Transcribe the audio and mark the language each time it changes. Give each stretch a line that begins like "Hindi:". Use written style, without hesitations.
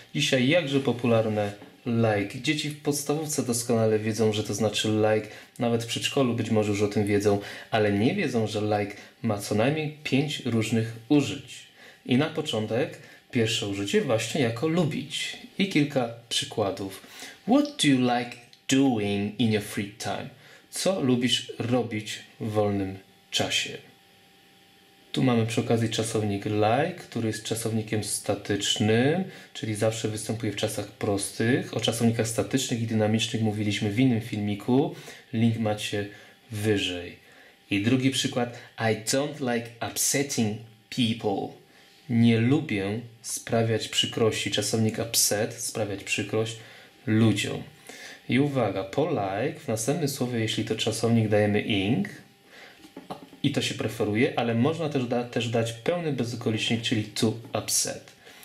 Polish: Dzisiaj jakże popularne like. Dzieci w podstawówce doskonale wiedzą, że to znaczy like. Nawet w przedszkolu być może już o tym wiedzą, ale nie wiedzą, że like ma co najmniej 5 różnych użyć. I na początek pierwsze użycie właśnie jako lubić. I kilka przykładów.
English: What do you like doing in your free time?
Polish: Co lubisz robić w wolnym czasie? Tu mamy przy okazji czasownik like, który jest czasownikiem statycznym, czyli zawsze występuje w czasach prostych. O czasownikach statycznych i dynamicznych mówiliśmy w innym filmiku. Link macie wyżej. I drugi przykład.
English: I don't like upsetting people.
Polish: Nie lubię sprawiać przykrości. Czasownik upset, sprawiać przykrość ludziom. I uwaga, po like w następnym słowie, jeśli to czasownik, dajemy ing. I to się preferuje, ale można też dać pełny bezokolicznik, czyli
English: to upset.